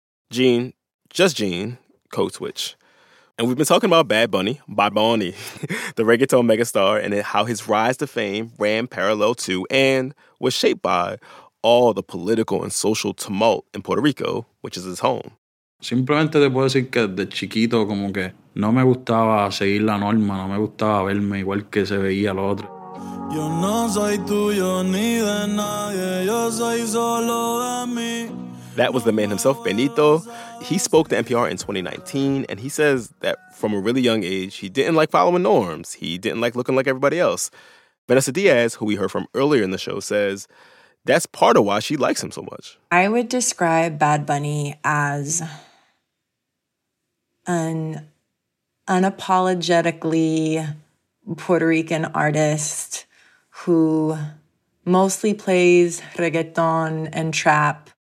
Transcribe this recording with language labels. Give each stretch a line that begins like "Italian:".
English: Gene, just Gene, code switch. And we've been talking about Bad Bunny, Bad Bunny, the reggaeton megastar, and how his rise to fame ran parallel to and was shaped by all the political and social tumult in Puerto Rico, which is his home.
Spanish: Simplemente te puedo decir que de chiquito como que no me gustaba seguir la norma, no me gustaba verme igual que se veía lo otro. Yo no soy tuyo ni de nadie, yo soy solo de mí.
English: That was the man himself, Benito. He spoke to NPR in 2019, and he says that from a really young age, he didn't like following norms. He didn't like looking like everybody else. Vanessa Diaz, who we heard from earlier in the show, says that's part of why she likes him so much. I would describe Bad Bunny as an unapologetically Puerto Rican artist who mostly plays reggaeton and trap.